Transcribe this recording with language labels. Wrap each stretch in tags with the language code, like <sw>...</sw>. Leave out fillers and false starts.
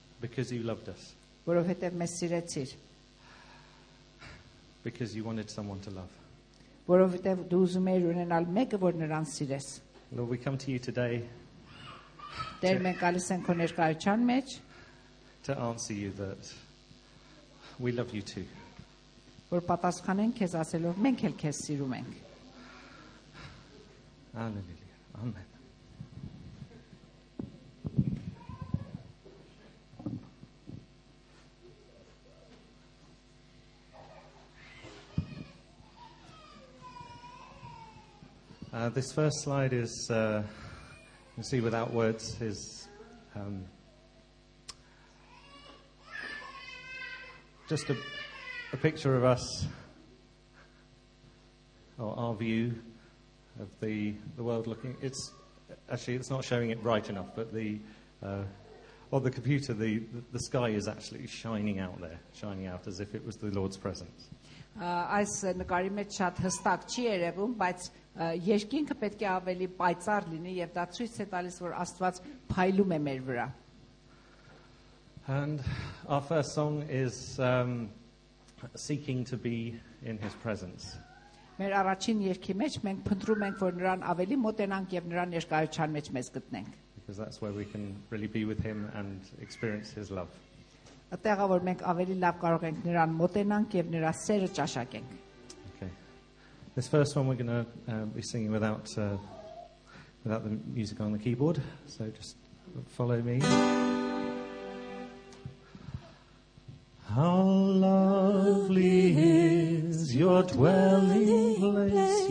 <en>Because you loved us.</en> <hy>Որովհետև մեզ սիրեցիր.</hy> <en>Because you wanted someone to love.</en> <hy>Որովհետև դու ուզում ես ունենալ մեկը, որ նրան սիրես.</hy> <en>Lord, we come to you today.</en> <hy>Դեր մենք գալիս ենք քո ներկայության մեջ.</hy> <en>To answer you that we love you too.</en> <hy>Որ պատասխանենք քեզ ասելով մենք էլ քեզ սիրում ենք.</hy> <en>Alleluia. Amen. This first slide is, you see, without words, is just a picture of us, or our view of the world looking. It's actually, it's not showing it bright enough, but the computer, the sky is actually shining out there, shining out as if it was the Lord's presence.</en> <hy>Այս նկարի մեջ շատ հստակ չի երևում, բայց երկինքը պետք է ավելի պայծառ լինի եւ դա ցույց է տալիս, որ Աստված փայլում է մեր վրա։</hy> <en>And our first song is seeking to be in his presence.</en> <hy>Մեր առաջին երգի մեջ մենք փնտրում ենք, որ նրան ավելի մոտենանք եւ նրան ներկայության մեջ մեզ գտնենք։</hy> <en>Because that's where we can really be with him and experience his love.</en> <hy>Ատեղը, որ մենք ավելի լավ կարող ենք նրան մոտենանք եւ նրա սերը ճաշակենք։</hy> <en>Okay. This first one we're going to be singing without without the music on the keyboard, so just follow me. How lovely is your dwelling place.</en>